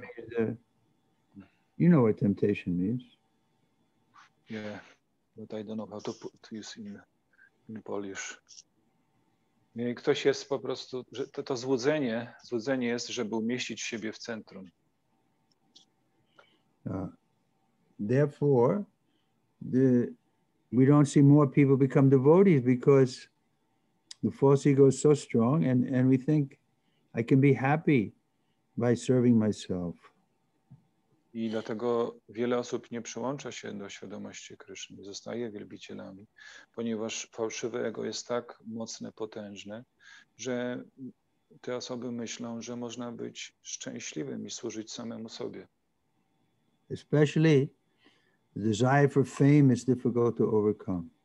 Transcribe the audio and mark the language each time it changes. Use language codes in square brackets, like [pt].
[en] Means you know what temptation means. Yeah, but I don't know how to put this in Polish. [pl] Ktoś jest po prostu, że to złudzenie jest, żeby umieścić siebie w centrum. [en] Therefore, we don't see more people become devotees because the false ego is so strong and we think I can be happy by serving myself. [pl] I dlatego wiele osób nie przyłącza się do świadomości Kryszny, zostaje wielbicielami, ponieważ fałszywe ego jest tak mocne, potężne, że te osoby myślą, że można być szczęśliwym i służyć samemu sobie. [en] Especially the desire for fame is difficult to overcome.